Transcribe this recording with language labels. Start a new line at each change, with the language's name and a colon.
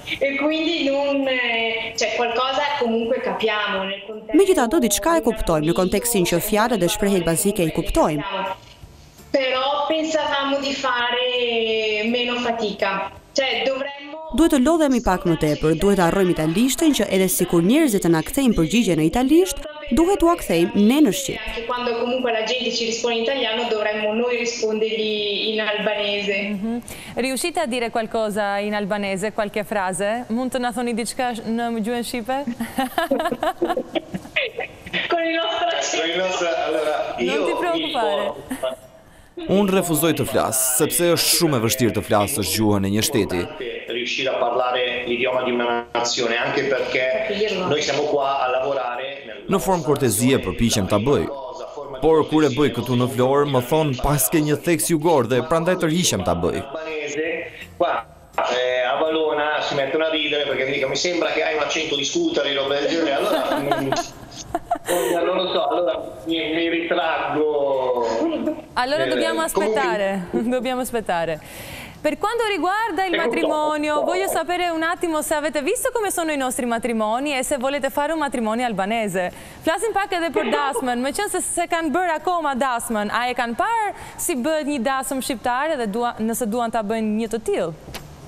Italian: E quindi non c'è qualcosa comunque capiamo nel contesto.
Albanian: Megjithatë diçka e kuptojmë në kontekstin që fjalët dhe shprehjet bazike i kuptojmë.
Italian: Però pensavamo di fare meno fatica. Cioè, dovremmo
Albanian: duhet të lodhemi pak më tepër, duhet të harrojmë italishtën që edhe sikur njerëzit të na kthejnë përgjigje në italisht, duhet t'u kthejmë ne në shqip.
Italian: Anche quando comunque la gente ci risponde in italiano, dovremmo noi rispondergli in albanese. Riuscite a dire qualcosa in albanese, qualche frase?
Albanian: Mund të na thoni diçka në gjuhën shqipe?
Italian: Con il nostro accento. Con il nostro, allora, non ti preoccupare.
Albanian: Unë refuzoj të flas, sepse është shumë e vështirë të flasësh gjuhën e një shteti.
Italian: Riuscire a parlare l'idioma di una nazione anche perché noi siamo qua a lavorare
Albanian: në formë kortezie përpiqem ta bëj. Por kur e bëj këtu në Florë, më thon pas ke një theks jugor dhe prandaj tërhiqem ta bëj.
Italian: Qua a Valona si mette una ridere perché mi dica mi sembra che hai un accento di scooter e roba del genere. Allora non lo so, allora mi ritraggo. Allora dobbiamo aspettare, dobbiamo aspettare. Per quanto riguarda il matrimonio, voglio sapere un attimo se avete visto come sono i nostri matrimoni e se volete fare un matrimonio albanese.
Albanian: Flasim pak edhe për dasmën, me qënë se kanë bërë akoma dasmën, a e kanë parë si bëhet një dasmë shqiptare dhe nëse duan të bëjnë një të tillë?